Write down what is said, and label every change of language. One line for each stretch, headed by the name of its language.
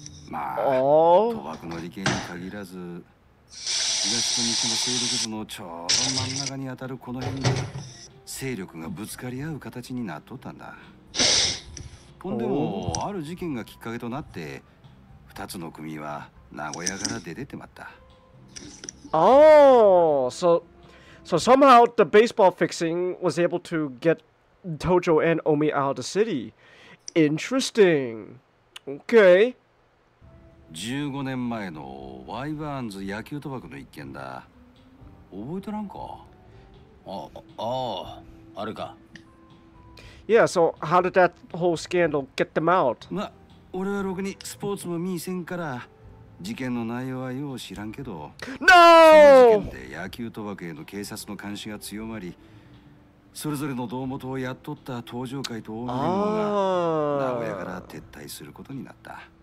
Japanese: まあ、賭博の利権に限らず、東と西の勢力図のちょうど真ん中に当たるこの辺で勢力がぶつかり合う形になっとったんだ。ほんでも、ある事件がきっかけとなって二つの組は名古屋から出てってまった。
English: So somehow the baseball fixing was able to get Tojo and Omi out of the city. Interesting. Okay.
Japanese: 15年前のワイバーンズ野球賭博の一件だ。覚えてらんか？あれか。
English: Yeah, so how did that whole scandal get them out?
Japanese: ま、俺はろくにスポーツも見せんから。事件の内容はよう知らんけど、
English: NO!
Japanese: その事件で野球賭博への警察の監視が強まり、それぞれの胴元をやっとった東条会と大見連合が名古屋から撤退することになった。